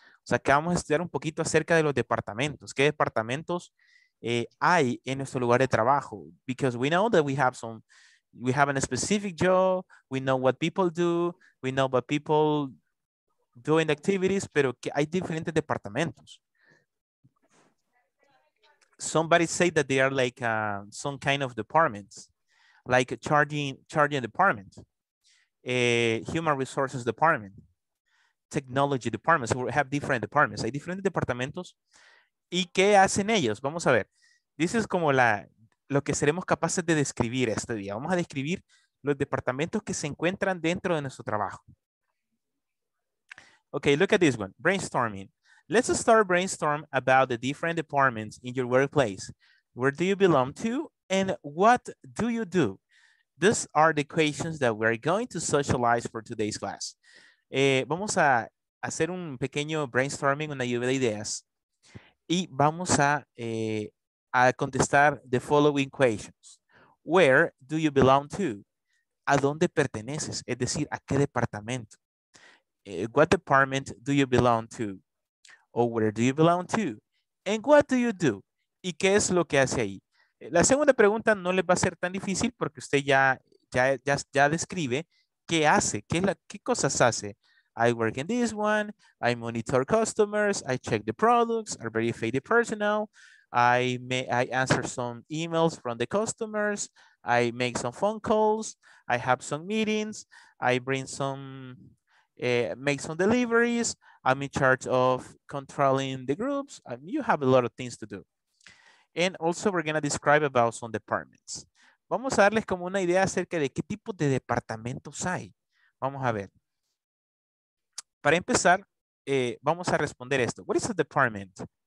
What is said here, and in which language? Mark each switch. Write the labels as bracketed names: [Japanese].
[Spanish] O sea, que vamos a estudiar un poquito acerca de los departamentos. ¿Qué departamentos hay en nuestro lugar de trabajo? [English] Because we know that we have a specific job. We know what people do. We know what people do in activities. [Spanish] Pero que hay diferentes departamentos. [English] Somebody say that they are like some kind of departments. Like a charging department, a human resources department, technology department. So we have different departments. [Spanish] Hay diferentes departamentos. ¿Y qué hacen ellos? Vamos a ver. [English] This is [Spanish] como lo que seremos capaces de describir este día. Vamos a describir los departamentos que se encuentran dentro de nuestro trabajo. [English] Okay, look at this one. Brainstorming. Let's start brainstorm about the different departments in your workplace. Where do you belong to? And what do you do? These are the questions that we're going to socialize for today's class. [Spanish] Vamos a hacer un pequeño brainstorming, una lluvia de ideas. Y vamos a contestar [English] the following questions. Where do you belong to? [Spanish] ¿A dónde perteneces? Es decir, ¿a qué departamento? [English] What department do you belong to? Or where do you belong to? And what do you do? [Spanish] ¿Y qué es lo que hace ahí? La segunda pregunta no les va a ser tan difícil porque usted ya describe qué hace, qué cosas hace, [English] I work in this one. I monitor customers. I check the products. I verify the personnel. I answer some emails from the customers. I make some phone calls. I have some meetings. I bring some, make some deliveries. I'm in charge of controlling the groups. You have a lot of things to do. And also we're gonna describe about some departments. [Spanish] Vamos a darles como una idea acerca de qué tipo de departamentos hay. Vamos a ver. Para empezar, vamos a responder esto. [English] What is a department?